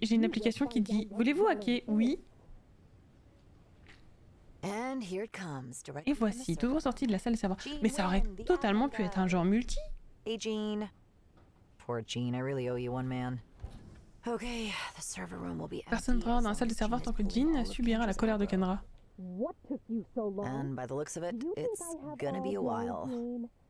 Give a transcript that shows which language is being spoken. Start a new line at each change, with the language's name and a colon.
French: J'ai une application qui dit « Voulez-vous hacker ?» Oui. Et voici, toujours sorti de la salle de serveur. Mais ça aurait totalement pu être un genre multi.
English: Hey Jean. Poor Jean, I really owe you one, man. Okay, the server room will be empty.
French: Personne ne travaillera dans la salle de serveur tant que Jean subira la colère de Kendra.
English: And by the looks of it, it's gonna be a while.